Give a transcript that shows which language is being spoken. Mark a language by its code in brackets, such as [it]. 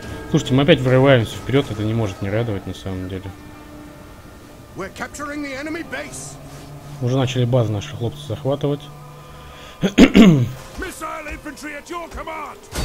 [ru] Слушайте, мы опять вырываемся вперед, это не может не радовать на самом деле. [en] We're capturing the enemy base. [ru] Уже начали базы наши хлопцы захватывать. [en] Missile infantry at your command.